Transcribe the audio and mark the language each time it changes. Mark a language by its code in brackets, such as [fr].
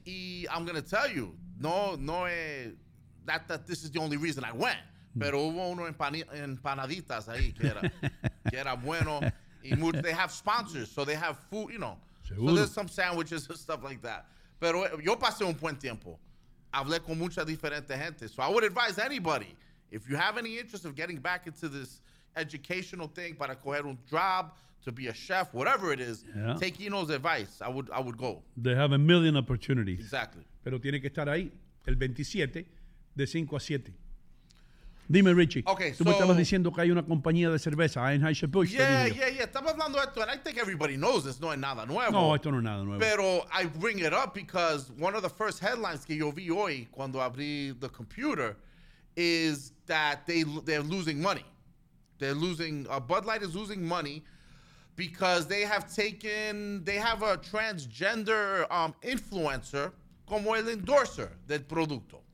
[en] Y I'm going to tell you, [es] no es [en] that this is the only reason I went. [es] Pero hubo uno en empanaditas ahí que era bueno. [en] Y they have sponsors, so they have food, you know. [es] Seguro. [en] So there's some sandwiches and stuff like that. [es] Pero yo pasé un buen tiempo. Hablé con mucha diferente gente. [en] So I would advise anybody, if you have any interest of getting back into this educational thing [es] para coger un job, [en] to be a chef, whatever it is, yeah, take Eno's advice. I would go. They have a million opportunities. Exactly. [es] Pero tiene que estar ahí el 27 de 5 a 7. Dime, Richie. [en] Okay, [es] tú me estabas diciendo que hay una compañía de cerveza, Anheuser-Busch. Yeah. Estaba hablando de esto, [en] and I think everybody knows this. [es] No es nada nuevo. No, esto no es nada nuevo. [en] Pero I bring it up because one of the first headlines [es] que yo vi hoy cuando abrí [en] the computer is that they're losing money. They're losing, Bud Light is losing money because they have a transgender influencer [es] como el endorser del producto.